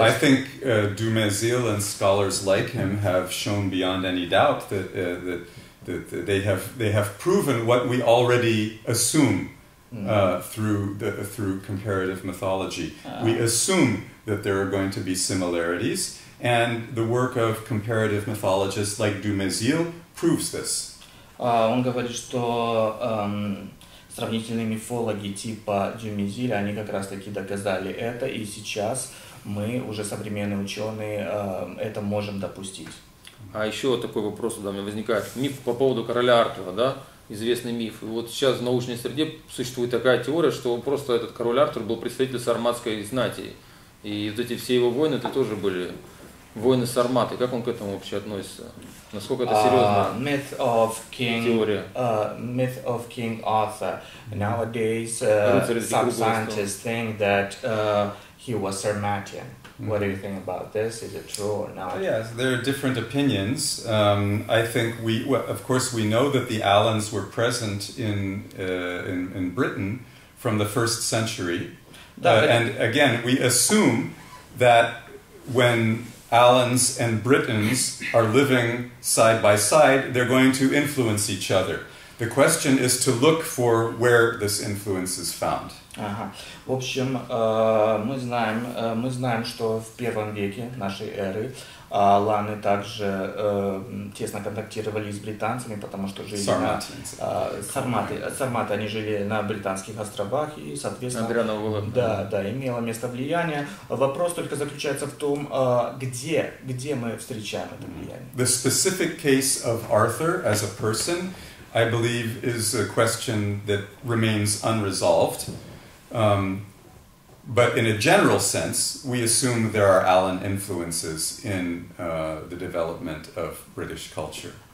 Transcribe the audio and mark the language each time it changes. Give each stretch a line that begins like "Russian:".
English: I think Dumézil and scholars like him have shown beyond any doubt that they have proven what we already assume through comparative mythology. We assume that there are going to be similarities, and the work of comparative mythologists like Dumézil proves this.
Russian: Он говорит, что сравнительные мифологи типа Дюмезиля, они как раз-таки доказали это, и сейчас мы, уже современные ученые, это можем допустить. А еще вот такой вопрос у меня возникает. Миф по поводу короля Артура, да? известный миф. И вот сейчас в научной среде существует такая теория, что просто этот король Артур был представитель сарматской знати. И вот эти все его войны, это тоже были войны сарматы. Как он к этому вообще относится? Насколько это серьезно?
English: Myth of King,
Russian: теория.
English: Myth of King Arthur. Nowadays, some scientists think that he was Sarmatian. What do you think about this? Is it true or not? Yes, there are different opinions. I think we, well, of course, we know that the Alans were present in Britain from the first century. And again, we assume that when Alans and Britons are living side by side, they're going to influence each other. The question is to look for where this influence is found. Ага.
Russian: В общем, мы знаем, что в первом веке нашей эры Аланы также тесно контактировали с британцами, потому что жили сарматы, они жили на британских островах и, соответственно, Андрианова, имело место влияние. Вопрос только заключается в том, где мы встречаем это влияние.
English: The specific case of Arthur as a person, I believe, is a question that remains unresolved. But in a general sense, we assume there are Alan influences in the development of British culture.